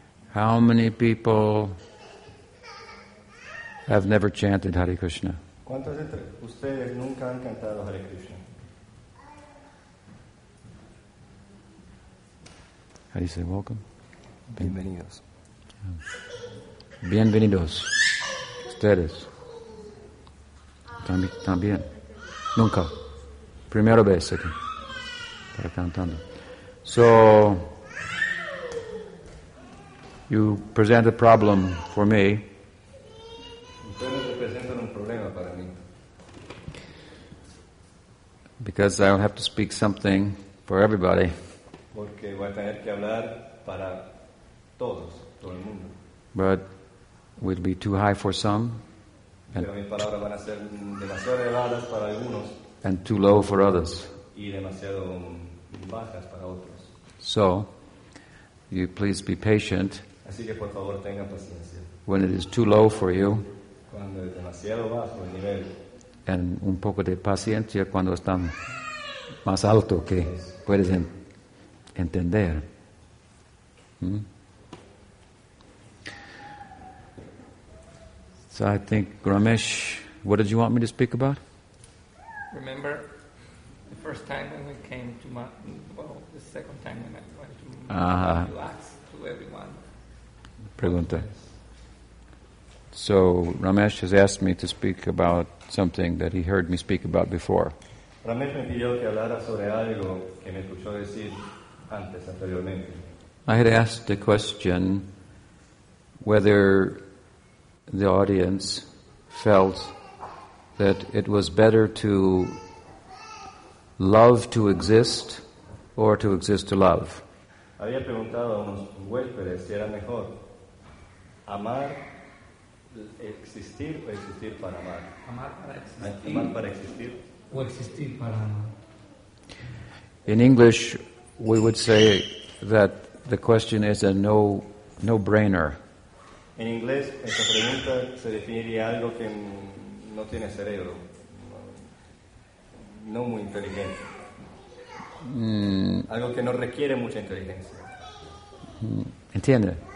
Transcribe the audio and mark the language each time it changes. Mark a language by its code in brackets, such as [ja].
[en] How many people have never chanted Hare Krishna? [es] ¿Cuántos entre ustedes nunca han cantado Hare Krishna? [en] How do you say welcome? [es] Bienvenidos. Bienvenidos. Ustedes. También. Nunca. Primera vez aquí. Para cantando. So... [en] You present a problem for me. [es] Ustedes representan un problema para mí. [en] Because I'll have to speak something for everybody. [es] Porque voy a tener que hablar para todos, todo el mundo. [en] But we'll be too high for some. [es] And pero mis palabras van a ser demasiado elevadas para algunos. [en] And too low for others. [es] Y demasiado bajas para otros. [en] So, you please be patient. [es] Así que, por favor, tengan paciencia. [en] When it is too low for you, [es] cuando es demasiado bajo el nivel, and un poco de paciencia cuando están más alto que es, puedes entender. [en] So I think, Ramesh, what did you want me to speak about? Remember the first time when we came to the second time when I went to relax to everyone. [es] Pregunta. [en] So Ramesh has asked me to speak about something that he heard me speak about before. [es] Ramesh me pidió que hablara sobre algo que me escuchó decir antes, anteriormente. [en] I had asked the question whether the audience felt that it was better to love to exist or to exist to love. [es] Había preguntado a unos huéspedes si era mejor amar, existir o existir para amar. Amar para existir. Amar para existir. O existir para amar. [en] In English, we would say that the question is a no-brainer. [es] En inglés, esta pregunta se definiría algo que no tiene cerebro, no muy inteligente. Algo que no requiere mucha inteligencia. Entiende.